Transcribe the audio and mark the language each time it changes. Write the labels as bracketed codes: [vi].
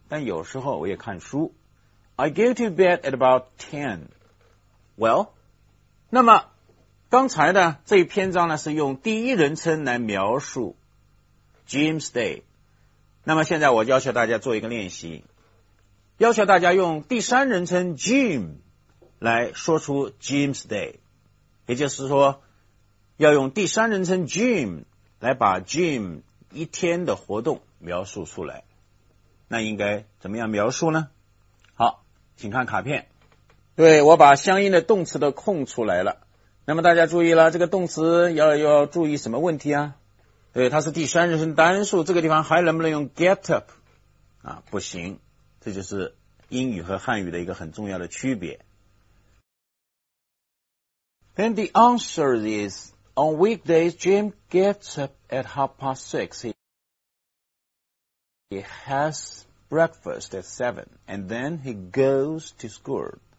[zh] 但有时候我也看书。 [en] I go to bed at about 10. [zh] Well, 那么刚才呢，这一篇章呢是用第一人称来描述 Jim's Day. 那么现在我要求大家做一个练习，要求大家用第三人称 Jim 来说出 Jim's Day. 也就是说要用第三人称 Jim 来把 Jim 一天的活动描述出来。那应该怎么样描述呢？请看卡片。对，我把相应的动词都空出来了。那么大家注意了，这个动词要注意什么问题啊？对，它是第三人称单数，这个地方还能不能用 get up 啊？不行，这就是英语和汉语的一个很重要的区别。 [en] Then the answer is, on weekdays Jim gets up at 6. He has breakfast at 7, and then he goes to school.